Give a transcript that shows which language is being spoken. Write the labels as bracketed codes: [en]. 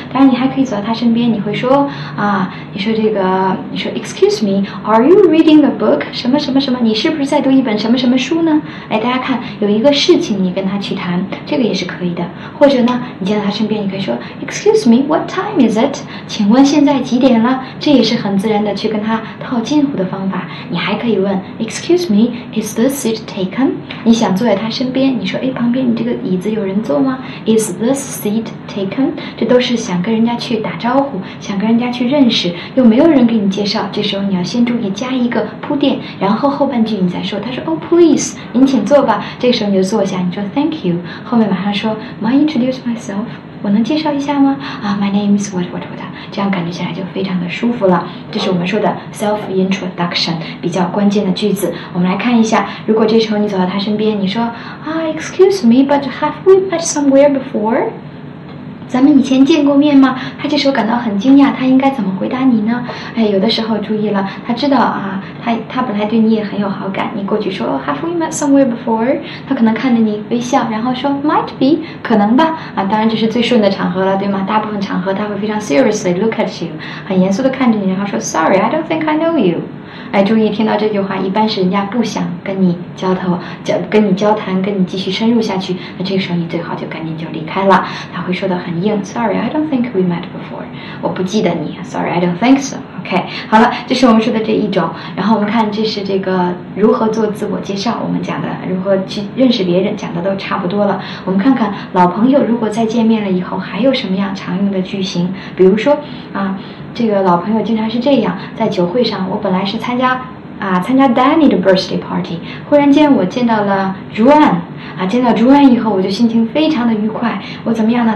[zh] 当然，你还可以走到他身边，你会说啊，你说 [en] Excuse me, are you reading a book? [zh] 什么什么什么？你是不是在读一本什么什么书呢？哎，大家看，有一个事情你跟他去谈，这个也是可以的。或者呢，你见到他身边，你可以说 [en] Excuse me, what time is it? [zh] 请问现在几点了？这也是很自然的去跟他套近乎的方法。你还可以问 [en] Excuse me, is the seat taken? [zh] 你想坐在他身边，你说哎，旁边你这个椅子有人坐吗？ [en] Is the seat taken? [zh] 这都是想跟人家去打招呼，想跟人家去认识，又没有人给你介绍，这时候你要先注意加一个铺垫，然后后半句你再说。他说 [en] Oh please, [zh] 您请坐吧，这时候你就坐下，你说 [en] Thank you, [zh] 后面马上说 [en] May I introduce myself? [zh] 我能介绍一下吗？啊、 [en] my name is what [zh] 这样感觉起来就非常的舒服了。这是我们说的 self introduction 比较关键的句子。我们来看一下，如果这时候你走到他身边，你说啊、 [en] excuse me, but have we met somewhere before? [zh] 咱们以前见过面吗？他这时候感到很惊讶，他应该怎么回答你呢？哎，有的时候注意了，他知道啊，他本来对你也很有好感，你过去说 [en] Have we met somewhere before? [zh] 他可能看着你微笑，然后说 [en] Might be, [zh] 可能吧。啊，当然这是最顺的场合了，对吗？大部分场合他会非常 [en] seriously look at you, [zh] 很严肃地看着你，然后说 [en] Sorry, I don't think I know you。 [zh] 哎，注意听到这句话，一般是人家不想跟你交谈，跟你继续深入下去。那这个时候你最好就赶紧就离开了。他会说得很硬 [en] ，Sorry, I don't think we met before. [zh] 我不记得你 [en] ，Sorry, I don't think so. [zh] OK, 好了，这是我们说的这一种。然后我们看这是这个如何做自我介绍，我们讲的如何去认识别人，讲的都差不多了。我们看看老朋友如果再见面了以后还有什么样常用的句型，比如说啊。这个老朋友经常是这样，在酒会上，我本来是参加 Danny 的 birthday party， 忽然间我见到了 Juan， 啊，见到 Juan 以后，我就心情非常的愉快。我怎么样呢？